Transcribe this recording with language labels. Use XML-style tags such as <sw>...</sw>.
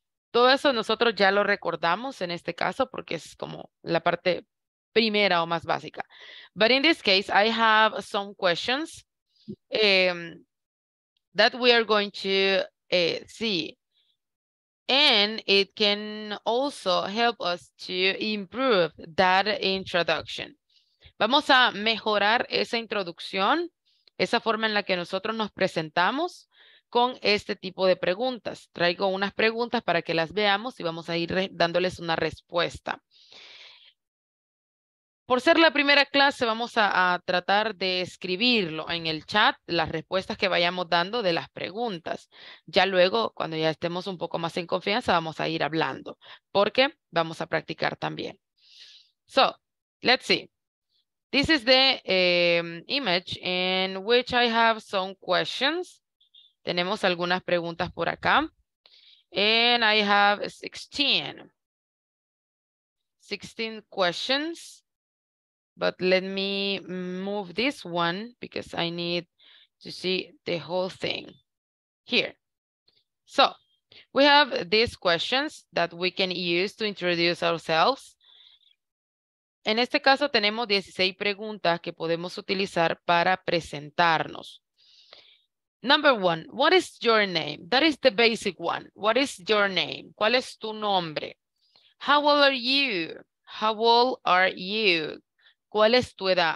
<es>Todo eso nosotros ya lo recordamos en este caso porque es como la parte primera o más básica.</es> <en>But in this case, I have some questions that we are going to see. And it can also help us to improve that introduction.</en> <es>Vamos a mejorar esa introducción, esa forma en la que nosotros nos presentamos con este tipo de preguntas. Traigo unas preguntas para que las veamos y vamos a ir dándoles una respuesta. Por ser la primera clase, vamos a tratar de escribirlo en el chat, las respuestas que vayamos dando de las preguntas. Ya luego, cuando ya estemos un poco más en confianza, vamos a ir hablando, porque vamos a practicar también.</es> <en>So, let's see. This is the image in which I have some questions.</en> <es>Tenemos algunas preguntas por acá.</es> <en>And I have 16. 16 questions. But let me move this one because I need to see the whole thing here. So we have these questions that we can use to introduce ourselves.</en> <es>En este caso tenemos 16 preguntas que podemos utilizar para presentarnos.</es> <en>Number one, what is your name? That is the basic one. What is your name?</en> <es>¿Cuál es tu nombre?</es> <en>How old are you? How old are you?</en> <es>¿Cuál es tu edad?</es>